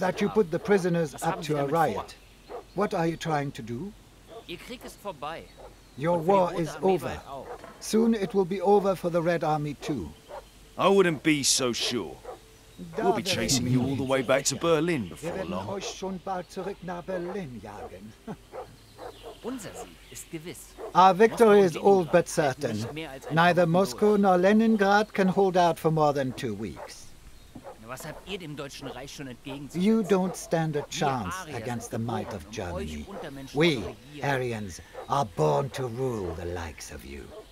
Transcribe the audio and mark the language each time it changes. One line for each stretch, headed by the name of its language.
English: That you put the prisoners up to a riot. What are you trying to do?
German: Ihr Krieg ist vorbei.
English: Your war is over. Soon it will be over for the Red Army too. I wouldn't be so sure. We'll be chasing you all the way back to Berlin before long.
German: Wir werden euch schon bald zurück nach Berlin jagen. Unser Sieg ist gewiss.
English: Our victory is all but certain. Neither Moscow nor Leningrad can hold out for more than 2 weeks.
German: Was habt ihr dem Deutschen Reich schon entgegenzusetzen?
English: You don't stand a chance against the might of Germany. We, Aryans, are born to rule the likes of you.